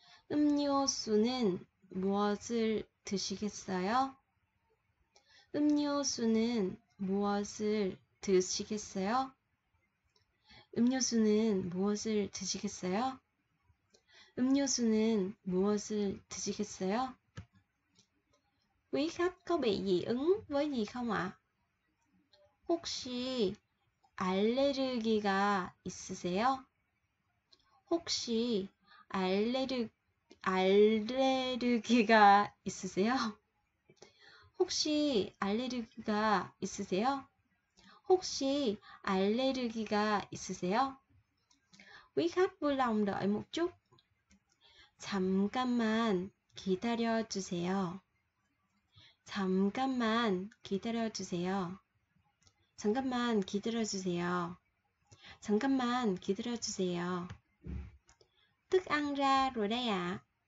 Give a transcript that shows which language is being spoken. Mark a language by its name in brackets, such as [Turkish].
[Korean] 음료수는 무엇을 드시겠어요? 음료수는 무엇을 드시겠어요? 음료수는 무엇을 드시겠어요? 음료수는 무엇을 드시겠어요? [Vietnamese] Quý khách có bị dị ứng với gì không ạ? [Korean] 혹시 알레르기가 있으세요? 혹시 알레르기가 있으세요? 혹시 알레르기가 있으세요? 혹시 알레르기가 있으세요? We have to long đợi một chút. 잠깐만 기다려 주세요. 잠깐만 기다려 주세요. 잠깐만 기다려 주세요. 잠깐만 기다려 주세요. [Vietnamese] Thức ăn ra rồi đây ạ.